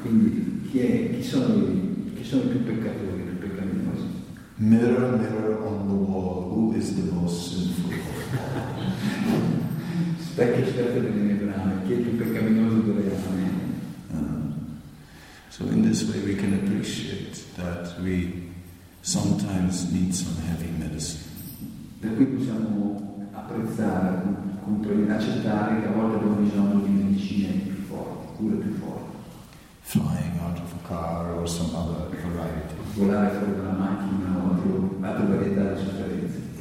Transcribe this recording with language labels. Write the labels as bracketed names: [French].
[Italian] Quindi chi sono i più peccatori, più peccaminosi? [English] Mirror, mirror on the wall, who is the most sinful? [Italian] Specchio, specchio delle mie brame, chi è più peccaminoso delle brame? [English] So in this way we can appreciate that we sometimes need some heavy medicine. [Italian] Da qui possiamo apprezzare, accettare che a volte abbiamo bisogno di medicine più forti, cure più forti. [English] Flying out of a car or some other variety. [Italian] Volare fuori dalla macchina o altre varietà di sofferenze.